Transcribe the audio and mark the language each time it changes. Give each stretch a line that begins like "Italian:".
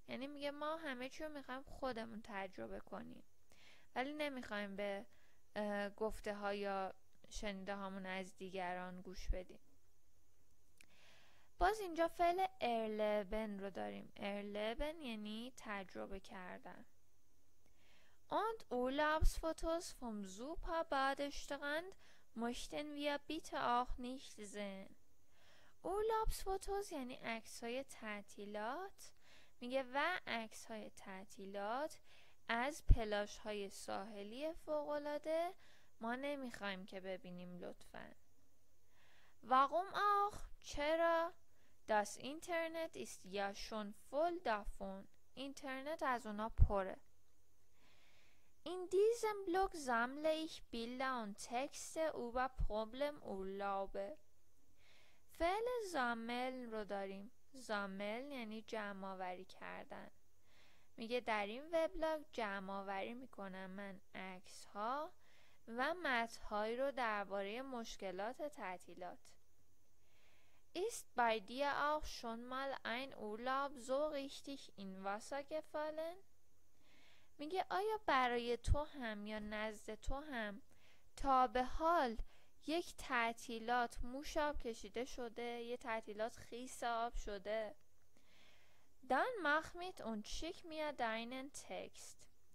Persian: یعنی میگه ما همه چی رو میخواییم خودمون تجربه کنیم، ولی نمیخواییم به گفته ها یا شنیده هامون از دیگران گوش بدیم. باز اینجا فعل erleben رو داریم. erleben یعنی تجربه کردن.
German: Und Urlaubsfotos vom Superbadestrand möchten wir bitte auch nicht sehen.
Persian: Urlaubsfotos یعنی عکس‌های تعطیلات. میگه و عکس‌های تعطیلات از پلاژ‌های ساحلی فوق‌العاده ما نمی‌خوایم که ببینیم لطفاً.
German: Warum auch؟
Persian: چرا؟
German: Das Internet ist ja schon voll davon.
Persian: اینترنت از اونا پره.
German: In diesem Blog sammle ich Bilder und Texte über Problem Urlaub.
Persian: فعل sammeln رو داریم. Sammeln یعنی جمع‌آوری کردن. میگه در این وبلاگ جمع‌آوری می‌کنم من عکس‌ها و متن‌های رو درباره مشکلات تعطیلات.
German: Ist bei dir auch schon mal ein Urlaub so richtig in Wasser gefallen?
Persian: میگه آیا برای تو هم یا نزد تو هم تا به حال یک تعطیلات موش آب کشیده شده، یه تعطیلات خیس آب شده؟
German: Dann mach mit und schick mir deinen Text.